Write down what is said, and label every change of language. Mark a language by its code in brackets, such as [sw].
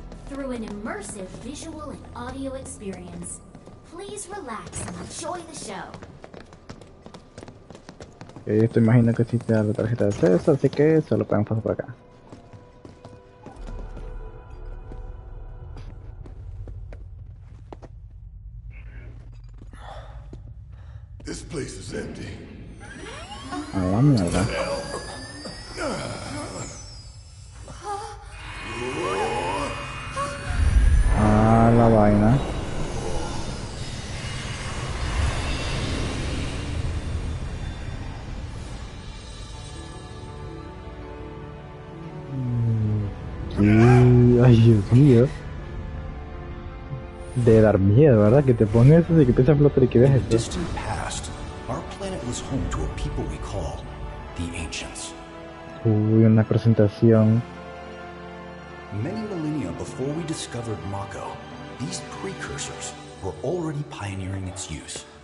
[en] Through an immersive visual and audio experience, please relax and enjoy the show. [es] Esto imagino que existe la tarjeta de acceso, así que solo podemos pasar por acá. [en] This place is empty. [es] A la mierda. A la vaina. Ay, Dios mío. De dar miedo, ¿verdad? Que te pones eso y que empiezas a flotar y que ves esto. [en] In the distant past, our planet was home to a people we call the Ancients. [es] Uy, una presentación. [en] Many millennia before we discovered Mako, these precursors were already pioneering its use.